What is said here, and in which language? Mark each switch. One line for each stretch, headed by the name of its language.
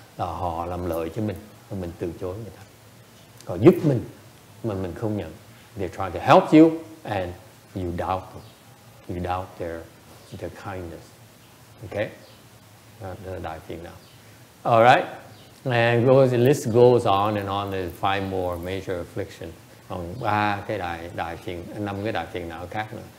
Vietnamese: Là họ làm lợi cho mình, và mình từ chối người ta. Họ giúp mình, mà mình không nhận.
English: They're trying to help you, and you doubt them. You doubt their kindness. Okay,
Vietnamese: đại phiền não.
English: All right. And goes, the list goes on and on. There's five more major afflictions.
Vietnamese: Còn ba cái đại phiền, năm cái đại phiền não khác nữa.